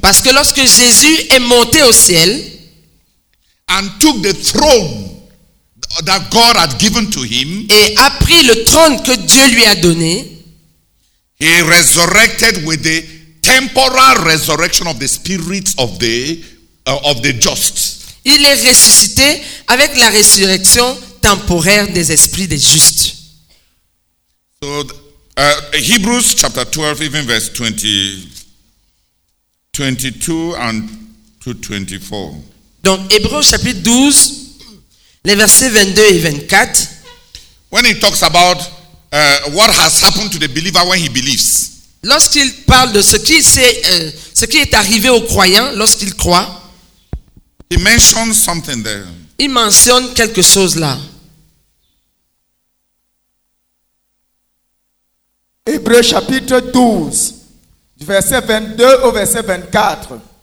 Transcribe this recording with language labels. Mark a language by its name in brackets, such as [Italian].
[French] parce que lorsque Jésus est monté au ciel, [English] and took the throne that God had given to him, [French] et a pris le trône que Dieu lui a donné, [English] he resurrected with the temporal resurrection of the spirits of the just. [French] Il est ressuscité avec la résurrection temporaire des esprits des justes. [English] So Hebrews chapter 12, even verse 22 to 24. [French] Donc Hébreux chapitre 12, les versets 22 et 24. [English] When he talks about what has happened to the believer when he believes. [French] Lorsqu'il parle de ce qui est arrivé au croyant lorsqu'il croit. [English] He mentions something there. [French] Il mentionne quelque chose là. Hébreux chapitre 12, verset 22 au verset 24.